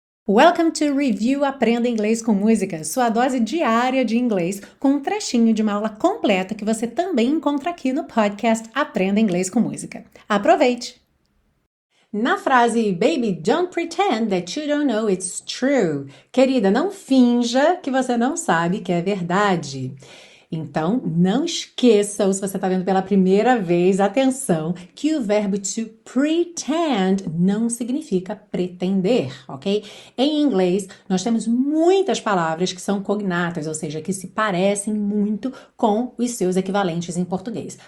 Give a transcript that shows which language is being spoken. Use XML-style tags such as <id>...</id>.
<en>Welcome to</en> <pt>Review Aprenda Inglês com Música, sua dose diária de inglês, com um trechinho de uma aula completa que você também encontra aqui no podcast Aprenda Inglês com Música. Aproveite! Na frase,</pt> <en>baby, don't pretend that you don't know it's true.</en> <pt>Querida, não finja que você não sabe que é verdade. Então, não esqueça, se você está vendo pela primeira vez, atenção, que o verbo to pretend não significa pretender, ok? Em inglês, nós temos muitas palavras que são cognatas, ou seja, que se parecem muito com os seus equivalentes em português.</pt>